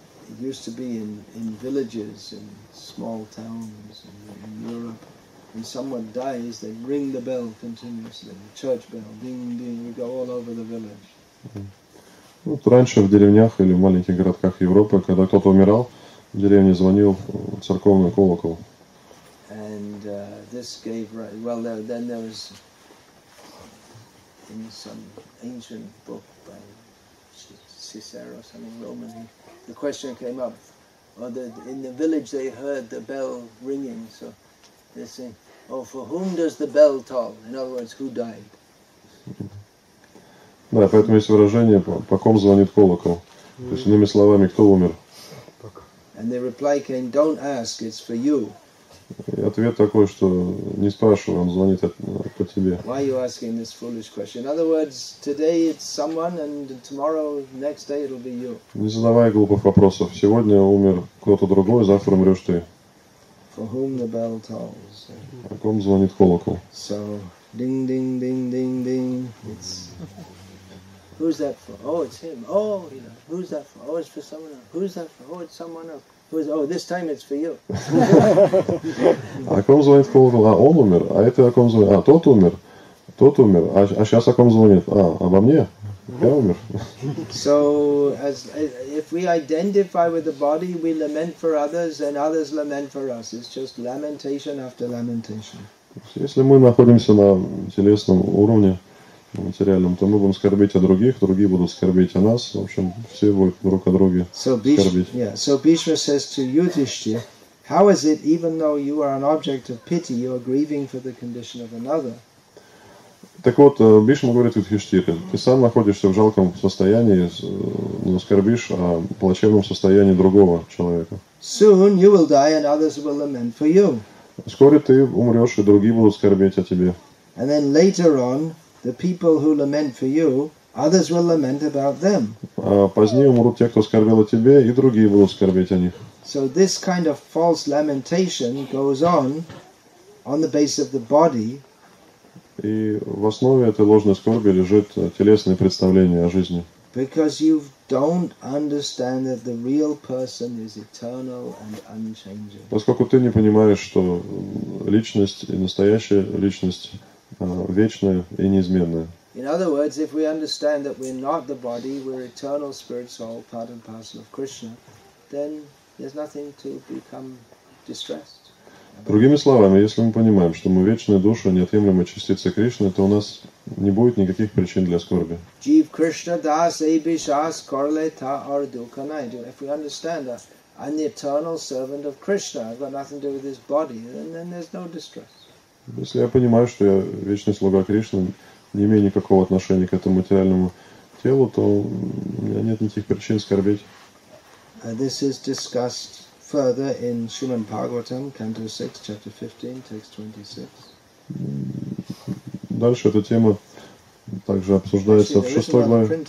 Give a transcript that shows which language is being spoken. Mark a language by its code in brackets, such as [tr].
[en] It used to be in villages, in small towns, in Europe, when someone dies, they ring the bell continuously, the church bell, ding, ding, we go all over the village. [ru] Вот раньше в деревнях или в маленьких городках Европы, когда кто-то умирал, в деревне звонил церковный колокол. [en] And this gave right. Well, then there was in some ancient book by Cicero, some Roman, the question came up, or the, in the village they heard the bell ringing, so they say, oh, for whom does the bell toll? In other words, who died? [ru] Да, поэтому есть выражение, по ком звонит колокол. То есть, иными словами, кто умер? [en] And the reply came, don't ask, it's for you. [ru] И ответ такой, что не спрашивай, он звонит по тебе. [en] Why are you asking this foolish question? In other words, today it's someone, and tomorrow, next day it'll be you. [ru] Не задавай глупых вопросов. Сегодня умер кто-то другой, завтра умрешь ты. [en] For whom the bell tolls. [ru] По ком звонит колокол? [en] So, ding, ding, ding, ding, ding. It's... Who's that for? Oh, it's him. Oh, you know. Who's that for? Oh, it's for someone else. Who's that for? Oh, it's someone else. Who's? Oh, this time it's for you. [ru] А ком звонит колокол? А он умер. А это о ком звонит? А тот умер. Тот умер. А сейчас о ком звонит? А обо мне. Я умер. [en] So, as if we identify with the body, we lament for others, and others lament for us. It's just lamentation after lamentation. [ru] Если мы находимся на телесном уровне, материальном, то мы будем скорбить о других, другие будут скорбить о нас. В общем, все будут друг о друге скорбить. [en] Yeah. So Bhishma says to Yudhishthira, how is it, even though you are an object of pity, you are grieving for the condition of another? [ru] Так вот, Бишма говорит Юдхиштхире, ты сам находишься в жалком состоянии, но скорбишь о плачевном состоянии другого человека. [en] Soon you will die and others will lament for you. [ru] Скоро ты умрешь, и другие будут скорбеть о тебе. [en] And then later on, the people who lament for you, others will lament about them. [ru] Позднее умрут те, кто скорбел о тебе, и другие будут скорбеть о них. [en] So this kind of false lamentation goes on the basis of the body. [ru] И в основе этой ложной скорби лежит телесное представление о жизни. [en] Because you don't understand that the real person is eternal and unchanging. [ru] Поскольку ты не понимаешь, что личность и настоящая личность вечная и неизменная. [en] In other words, if we understand that we're not the body, we're eternal spirit soul, part and parcel of Krishna, then there's nothing to become distressed. [ru] Другими словами, если мы понимаем, что мы вечная душа, неотъемлемая частица Кришны, то у нас не будет никаких причин для скорби. [bn] Jeev Krishna das ebishas korle ta or dukhanai. [en] If we understand that I'm the eternal servant of Krishna, I've got nothing to do with this body, then there's no distress. [ru] Если я понимаю, что я вечный слуга Кришны, не имею никакого отношения к этому материальному телу, то у меня нет никаких причин скорбить. [en] This is discussed further in Shrimad Bhagavatam, Canto 6, Chapter 15, Text 26. [ru] Дальше эта тема также обсуждается в 6 главе.